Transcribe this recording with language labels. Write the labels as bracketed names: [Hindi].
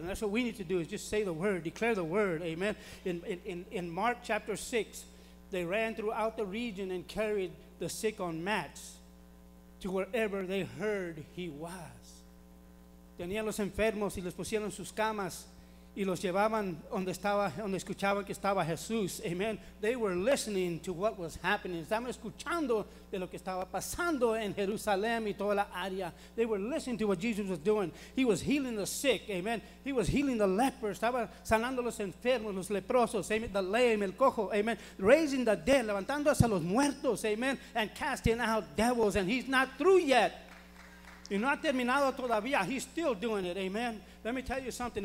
[English] And that's what we need to do is just say the word. Declare the word. Amen. In Mark chapter 6, they ran throughout the region and carried the sick on mats to wherever they heard he was. [Spanish] Tenían los enfermos y les pusieron sus camas. Y los llevaban donde estaba, donde escuchaban que estaba Jesús. Amen. [English] They were listening to what was happening. [Spanish] Estaban escuchando de lo que estaba pasando en Jerusalén y toda la área. [English] They were listening to what Jesus was doing. He was healing the sick. Amen. He was healing the lepers. [Spanish] Estaba sanando los enfermos, los leprosos. [English] Amen. The lame, [Spanish] el cojo. Amen. [English] Raising the dead, [Spanish] levantando a los muertos. Amen. [English] And casting out devils. And he's not through yet. [Spanish] Y no ha terminado todavía. [English] He's still doing it. Amen. Let me tell you something.